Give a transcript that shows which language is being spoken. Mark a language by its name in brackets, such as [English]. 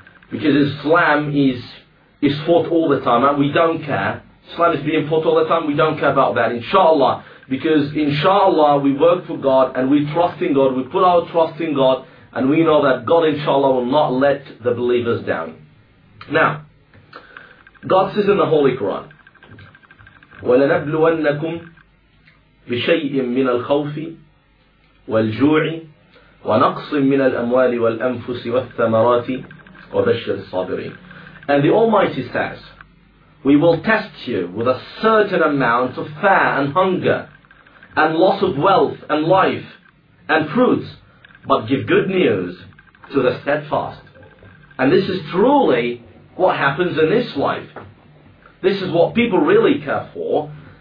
[English] Because Islam is fought all the time, and we don't care. Islam is being fought all the time, we don't care about that, inshallah. Because inshallah, we work for God, and we trust in God, we put our trust in God, and we know that God, inshallah, will not let the believers down. Now, God says in the Holy Quran, [Arabic] وَلَنَبْلُوَنَّكُمْ بِشَيْءٍ مِّنَ الْخَوْفِ وَالْجُوعِ وَنَقْصٍ مِّنَ الْأَمْوَالِ وَالْأَنفُسِ وَالثَّمَرَاتِ وَبَشِّرِ الصَّابِرِينَ. [English] And the Almighty says, we will test you with a certain amount of fear and hunger and loss of wealth and life and fruits, but give good news to the steadfast. And this is truly what happens in this life. This is what people really care for.